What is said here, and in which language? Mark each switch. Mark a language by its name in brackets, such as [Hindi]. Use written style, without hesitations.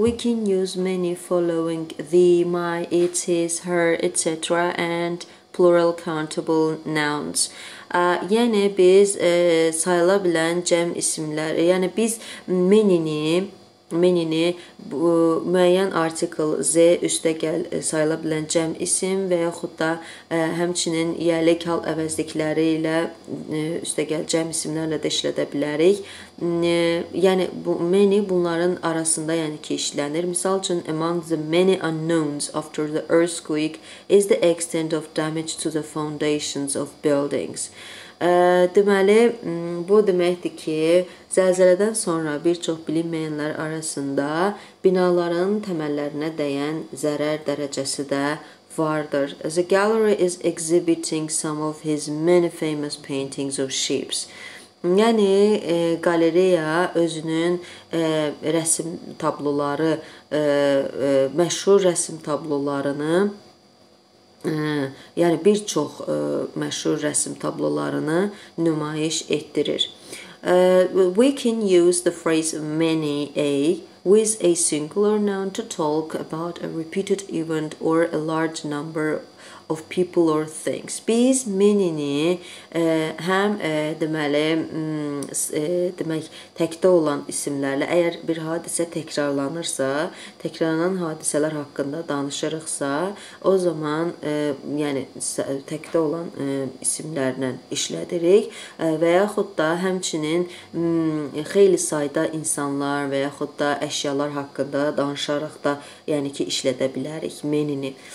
[English] We can use many following the, my, it, his, her, etc. and plural countable nouns. [Azerbaijani] Yəni biz sayıla bilən cəm isimləri, yəni biz many-ni bu müəyyən artikl z üstə gəl sayıla bilən cəm isim və yaxud da həmçinin yəlik hal əvəzlikləri ilə üstə gəl cəm isimlərlə də işlədə bilərik. Yəni bu many bunların arasında, yəni ki, işlənir. Misal üçün, [English] among the many unknowns after the earthquake is the extent of damage to the foundations of buildings. [Azerbaijani] Deməli, bu deməkdir ki, zəlzələdən sonra bir çox bilinməyənlər arasında binaların təməllərinə dəyən zərər dərəcəsi də vardır. [English] The gallery is exhibiting some of his many famous paintings of ships. [Azerbaijani] Yəni, galereya özünün rəsim tabloları, məşhur rəsim tablolarını, yəni bir çox məşhur rəsim tablolarını nümayiş etdirir. [English] We can use the phrase many a with a singular noun to talk about a repeated event or a large number of people or things. [Azerbaijani] Biz many'ni həm demək təkdə olan isimlərlə, əgər bir hadisə təkrarlanırsa, təkrarlanan hadisələr haqqında danışırıqsa, o zaman yəni təkdə olan isimlərlə işlədirik və yaxud da həmçinin xeyli sayda insanlar və yaxud da əşyalar haqqında danışaraq da yəni ki işlədə bilərik many'ni.